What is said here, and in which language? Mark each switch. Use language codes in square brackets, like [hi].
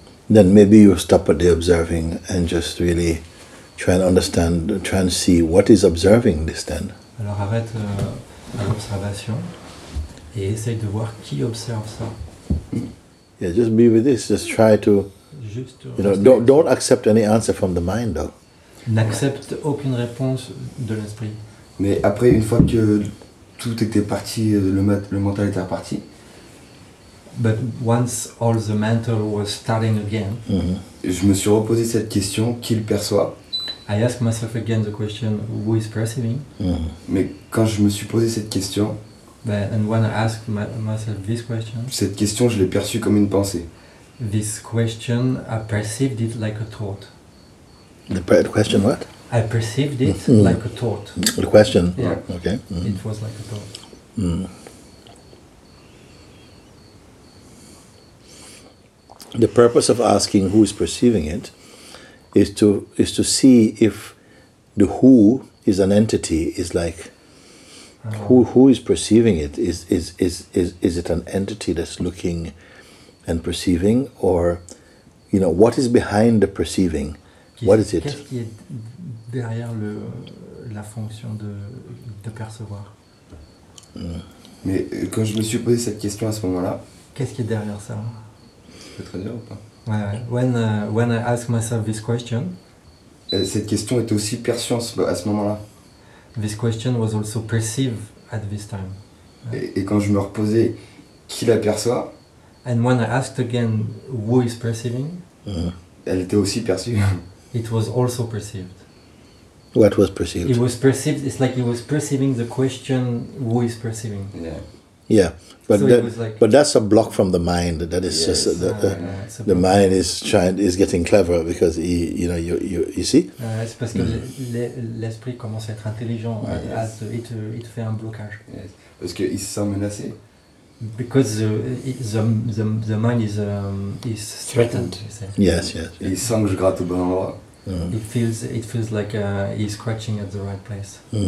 [en] Then maybe you stop at the observing and just really try and understand, try and see what is observing this then. [fr] Alors arrête l'observation et essaye de voir qui observe ça. [en] Yeah, just be with this. Just try to. Don't accept any answer from the mind though. [fr] N'accepte aucune réponse de l'esprit. Mais après une fois que tout était parti, le mental était reparti. [en] But once all the mental was starting again, [fr] je me suis reposé cette question, qui le perçoit? [en] I asked myself again the question, who is perceiving? [fr] Mais quand je me suis posé cette question, [en] and when I asked myself this question, [fr] cette question je l'ai perçue comme une pensée. [en] This question, I perceived it like a thought. The question what? I perceived it like a thought. The question. Yeah. Okay. It was like a thought. The purpose of asking who is perceiving it is to see if the who is an entity, is like who is perceiving it, is it an entity that's looking and perceiving, or you know, what is behind the perceiving? What is it? [fr] Qu'est-ce qui est derrière la fonction de percevoir? Mais quand je me suis posé cette question à ce moment-là, qu'est-ce qui est derrière ça? Je peux traduire ou pas? [en] When I ask myself this question, [fr] cette question était aussi perçue à ce moment-là. [en] This question was also perceived at this time. [fr] Et quand je me reposais, qui la perçoit? [en] And when I asked again, who is perceiving? [fr] Elle était aussi perçue. [en] It was also perceived. What was perceived? It was perceived. It's like it was perceiving the question, who is perceiving? Yeah. Yeah. But so that, like, but that's a block from the mind. That is just the mind is getting clever because you see? [fr] C'est parce que l'esprit commence à être intelligent. It fait un blocage. Yes. Parce que il se sent menacé. [en] Because the mind is threatened. Yes. [fr] Il sent que je gratte au bon endroit. [en] It feels like he's scratching at the right place.